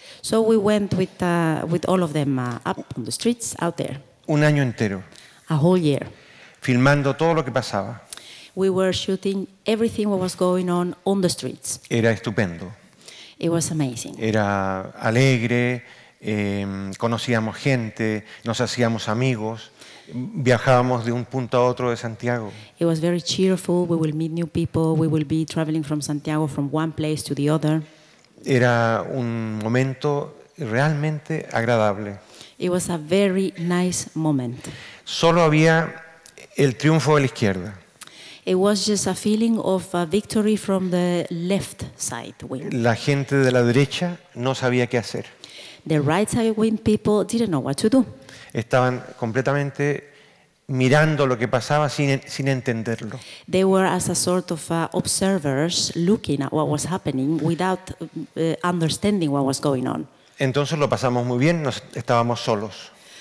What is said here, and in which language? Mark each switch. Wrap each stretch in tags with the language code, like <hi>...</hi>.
<en>So we went with all of them up on the streets out there.</en> <es>Un año entero.</es> <en>A whole year.</en> <es>Filmando todo lo que pasaba.</es> <en>We were shooting everything that was going on the streets.</en> <es>Era estupendo.</es> <en>It was amazing.</en> <es>Era alegre, conocíamos gente, nos hacíamos amigos, viajábamos de un punto a otro de Santiago.</es> <en>It was very cheerful. We will meet new people. We will be traveling from Santiago from one place to the other.</en> <es>Era un momento realmente agradable.</es> <en>It was a very nice moment.</en> <es>Solo había el triunfo de la izquierda.</es> <en>It was just a feeling of a victory from the left side wing.</en> <es>La gente de la derecha no sabía qué hacer.</es> <en>The right side wing people didn't know what to do.</en> <es>Estaban completamente mirando lo que pasaba sin entenderlo.</es> <en>They were as a sort of observers looking at what was happening without understanding what was going on.</en> <es>Entonces lo pasamos muy bien, estábamos solos.</es>